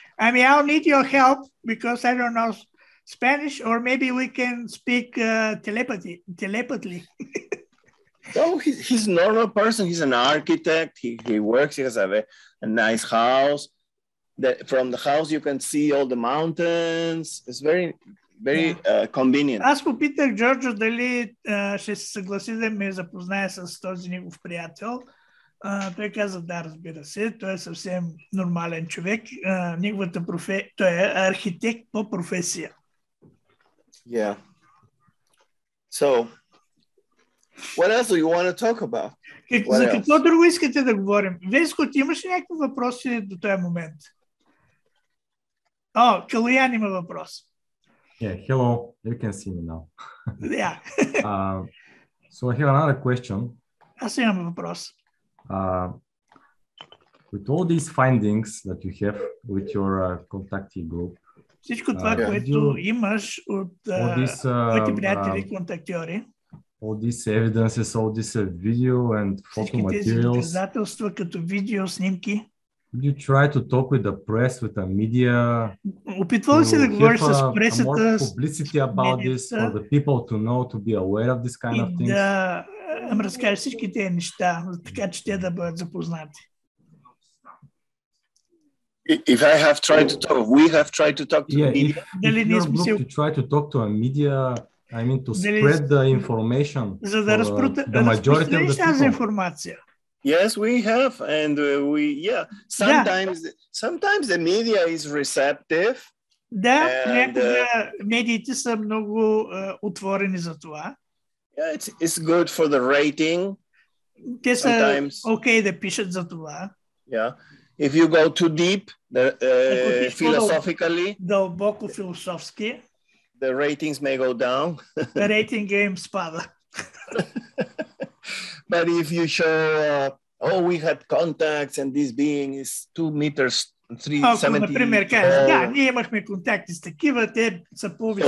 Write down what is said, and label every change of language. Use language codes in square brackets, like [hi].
[en] I mean, I'll need your help because I don't know Spanish, or maybe we can speak telepathy. Oh, he's a normal person. He's an architect. He works. He has a nice house. From the house, you can see all the mountains. It's very, very convenient. [bg] Аз попитах Джорджо дали ще се съгласи да ме запознае с този негов приятел. Той каза да, разбира се. Той е съвсем нормален човек. Неговата професия, той е архитект по професия. [en] Yeah. So, what else do you want to talk about? [bg] За какво друго искате да говорим? Веско, ти имаш ли някакви въпроси до този момент? О, Калуян има въпрос. [en] Yeah, hello. You can see me now. Yeah. So I have another question. [bg] Аз имам въпрос. [en] With all these findings that you have with your contactee group, [bg] всичко това, което имаш от твоите приятели контактьори, [en] all these evidences, all this video and photo materials. [bg] Доказателства като видео снимки. [en] You try to talk with the press, with the media. [bg] Опитвал се да говориш с пресата. [en] More publicity about this for the people to know, to be aware of this kind of things. [bg] Да, им разкажеш всички тези неща, така че те да бъдат запознати. [en] If I have tried to talk, we have tried to talk to the media. If your group to try to talk to a media, I mean to spread the information for the majority of the people. Yes, we have, and we, yeah. Sometimes the media is receptive. [bg] Да, медиите са много отворени за това. [en] Yeah, it's good for the rating. [bg] Те са окей да пишат за това. [en] Yeah. If you go too deep, philosophically, [bg] дълбоко философски, [en] the ratings may go down. Rating games pada. But if you show, we had contacts and this being is 2 meters, 370. [bg] Да, ние имахме контакти с такива, те са повече.